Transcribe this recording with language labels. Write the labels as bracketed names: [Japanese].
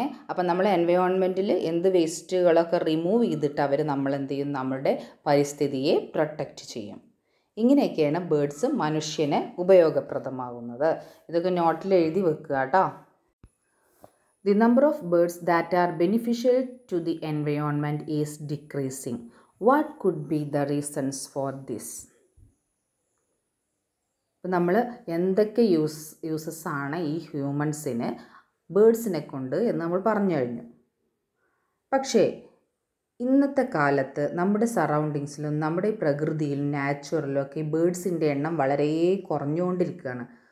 [Malayalam] അപ്പം നമ്മളെ എൻവയോൺമെൻറ്റിൽ എന്ത് വേസ്റ്റുകളൊക്കെ റിമൂവ് ചെയ്തിട്ട് അവർ നമ്മളെന്ത് ചെയ്യും, നമ്മളുടെ പരിസ്ഥിതിയെ പ്രൊട്ടക്റ്റ് ചെയ്യും. ഇങ്ങനെയൊക്കെയാണ് ബേഡ്സ് മനുഷ്യന് ഉപയോഗപ്രദമാകുന്നത്. ഇതൊക്കെ നോട്ടിൽ എഴുതി വെക്കുക കേട്ടോ. [English] The number of birds that are beneficial to the environment is decreasing. What could be the reasons for this? [Malayalam] ഇപ്പം നമ്മൾ എന്തൊക്കെ യൂസസ് ആണ് ഈ ഹ്യൂമൻസിന് ബേഡ്സിനെ കൊണ്ട് എന്ന് നമ്മൾ പറഞ്ഞു കഴിഞ്ഞു. പക്ഷേ ഇന്നത്തെ കാലത്ത് നമ്മുടെ സറൗണ്ടിങ്സിലും നമ്മുടെ പ്രകൃതിയിലും നാച്ചുറലും ഒക്കെ ഈ ബേഡ്സിൻ്റെ എണ്ണം വളരെ കുറഞ്ഞുകൊണ്ടിരിക്കുകയാണ്.